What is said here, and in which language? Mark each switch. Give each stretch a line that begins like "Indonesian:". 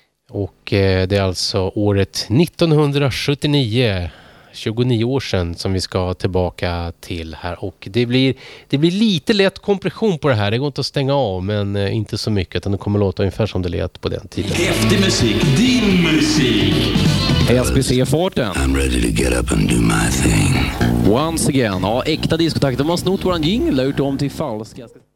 Swedish: Och det är alltså året 1979. 29 år sedan som vi ska tillbaka till här, och det blir lite lätt kompression på det här, det går inte att stänga av, men inte så mycket, utan det kommer låta ungefär som det lät på den tiden. Efter musik, din musik. SBC-farten.
English: I'm ready to get up and do my thing. Once again,
Swedish: ja, äkta diskotakt. De har snott våran jingle, gjort om till falska.